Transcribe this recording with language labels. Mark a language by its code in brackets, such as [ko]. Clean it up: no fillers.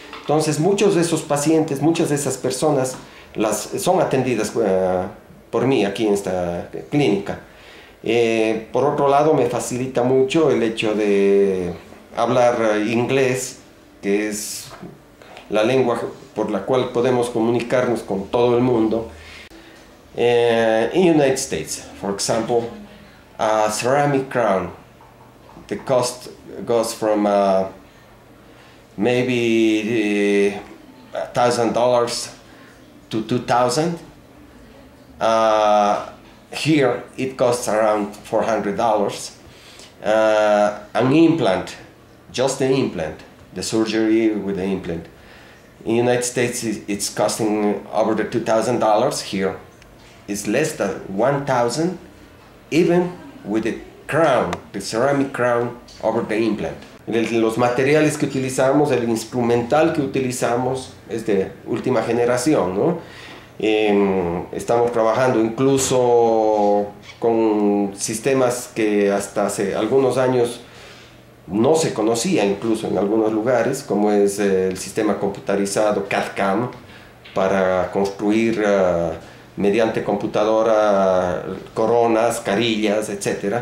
[es] Entonces, muchos de esos pacientes, muchas de esas personas, son atendidas por mí aquí en esta clínica. Por otro lado, me facilita mucho el hecho de hablar inglés, que es la lengua por la cual podemos comunicarnos con todo el mundo. [en] In the United States, for example, a ceramic crown, the cost goes from maybe $1,000 to $2,000. Here it costs around $400. An implant, just the implant, the surgery with the implant. In the United States, it's costing over the $2,000. Here it's less than $1,000, even with the crown, the ceramic crown over the implant. [es] Los materiales que utilizamos, el instrumental que utilizamos es de última generación, ¿no? Estamos trabajando incluso con sistemas que hasta hace algunos años no se conocía, incluso en algunos lugares, como es el sistema computarizado CAD-CAM para construir mediante computadora coronas, carillas, etc.